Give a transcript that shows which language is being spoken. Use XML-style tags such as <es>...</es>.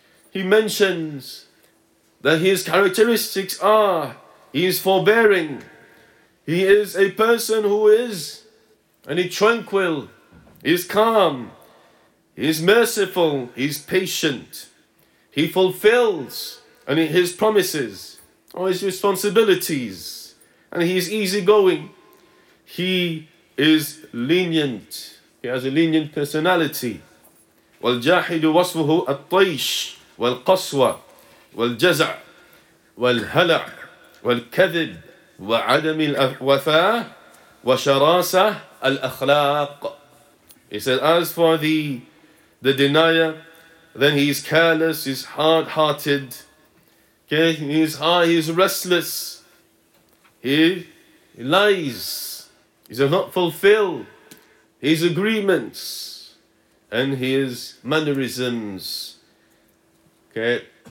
<en>He mentions that his characteristics are, he is forbearing, he is a person who is tranquil, he is calm, he is merciful, he is patient, he fulfills his promises or his responsibilities, and he is easygoing, he is lenient, he has a lenient personality.</en> <ar>وَالْجَاحِدُ وَصْفُهُ الطَّيْشِ والقسوة والجزع والهلع والكذب وعدم الوفاء وشراسة الأخلاق.</ar> <en>He said, as for the denier, then he is careless, he's hard-hearted. Okay, he's restless. He lies. He does not fulfill his agreements and his mannerisms. Okay.</en>